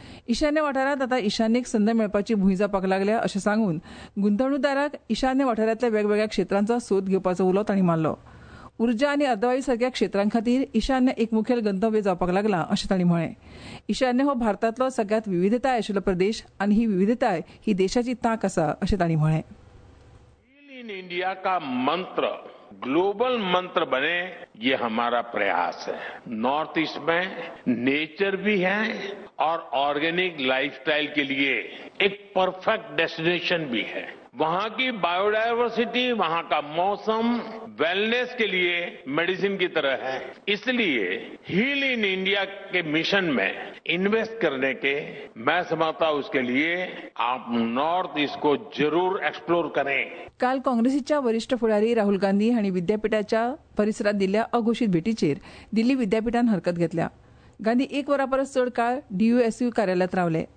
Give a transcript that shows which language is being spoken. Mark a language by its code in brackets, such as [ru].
[gom] ईशान्य वाठारांत आतां ईशान्येक संद मेळपाची भूंय जावपाक लागल्या अशें सांगून गुंतवणूकदारांक ईशान्य वाठारांतल्या वेगवेगळ्या क्षेत्रांचो सोद घेवपाचो उलो तांणी मारलो. उर्जा आनी अर्दवायू सारक्या क्षेत्रां खातीर ईशान्य एक मुखेल गंतव्य जावपाक लागला अशें तांणी म्हळें. ईशान्य हो भारतांतलो सगळ्यांत विविधताय आशिल्लो प्रदेश आनी ही विविधताय ही देशाची तांक आसा अशें तांणी म्हळें. [hi] इंडिया का मंत्र ग्लोबल मंत्र बने ये हमारा प्रयास है. नॉर्थ ईस्ट में नेचर भी है और ऑर्गेनिक लाइफस्टाइल के लिए एक परफेक्ट डेस्टिनेशन भी है. वहां की बायोडायवर्सिटी, वहां का मौसम वेलनेस के लिए मेडिसिन की तरह है. इसलिए हील इन इंडिया के मिशन में इन्वेस्ट करने के मैं समझता हूं उसके लिए आप नॉर्थ ईस्ट को जरूर एक्सप्लोर करें. [gom] काल काँग्रेसीच्या वरिष्ठ फुडारी राहुल गांधी हांणी विद्यापीठाच्या परिसरात दिल्ल्या अघोषित भेटीचेर दिल्ली विद्यापीठान हरकत घेतल्या. गांधी एक वरा परस चड काळ DUSU कार्यालयात रावले.